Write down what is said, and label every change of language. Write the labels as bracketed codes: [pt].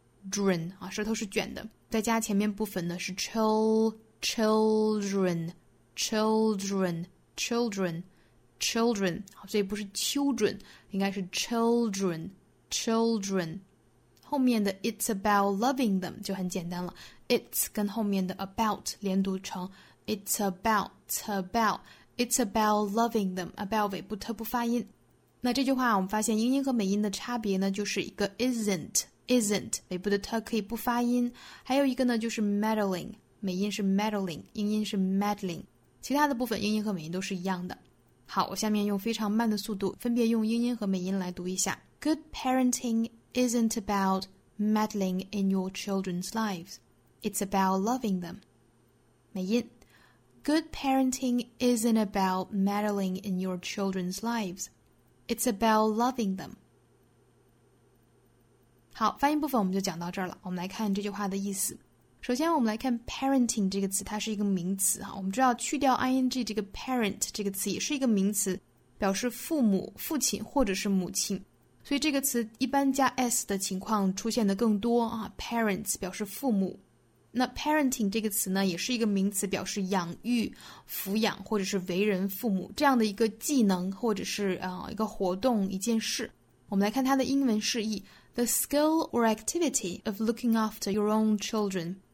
[zh] drin, 啊，舌头是卷的，再加前面部分呢是 children, 所以不是 children, 应该是 children,后面的 [en] it's about loving them [zh] 就很简单了， it's 跟后面的 about 连读成 it's about loving them, about 尾部特不发音。那这句话我们发现英音和美音的差别呢，就是一个 isn't isn't, 尾部的 t 可以不发音。还有一个呢就是 meddling, 美音是 meddling, 英音是 meddling。其他的部分英音和美音都是一样的。好，我下面用非常慢的速度分别用英音和美音来读一下。 [en] Good parenting isn't about meddling in your children's lives. It's about loving them. 美音。 Good parenting isn't about meddling in your children's lives. It's about loving them. [zh] 好，发音部分我们就讲到这儿了。我们来看这句话的意思。首先我们来看 parenting 这个词，它是一个名词。我们知道去掉 ing 这个 parent 这个词也是一个名词，表示父母、父亲或者是母亲。所以这个词一般加 s 的情况出现的更多啊。 parents 表示父母。那 parenting 这个词呢也是一个名词，表示养育、抚养或者是为人父母这样的一个技能或者是一个活动、一件事。我们来看它的英文释义。 [en] The skill or activity of looking after your own children.